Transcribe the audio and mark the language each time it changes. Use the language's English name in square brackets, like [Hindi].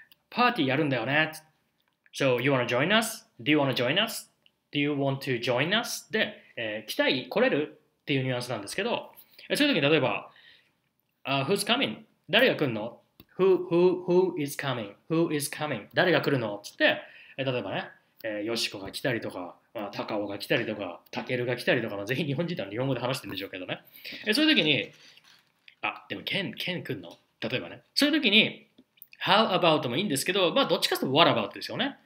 [Japanese] パーティーやるんだよね。 [English] So, you wanna join us? Do you wanna join us? Do you want to join us? [Japanese] で、来たい、来れるっていうニュアンスなんですけど、そういうときに例えば、 [English] who's coming? [Japanese] 誰が来るの ? [English] Who is coming? [Japanese] 誰が来るのつって、例えばね、よしこが来たりとか、たかおが来たりとか、たけるが来たりとか、ぜひ日本人は日本語で話してるんでしょうけどね。そういう時に、あ、でもケン来るの例えばね。そういう時に、 [English] how about [Japanese] もいいんですけど、まあ、どっちかというと [English] what about [Japanese] ですよね。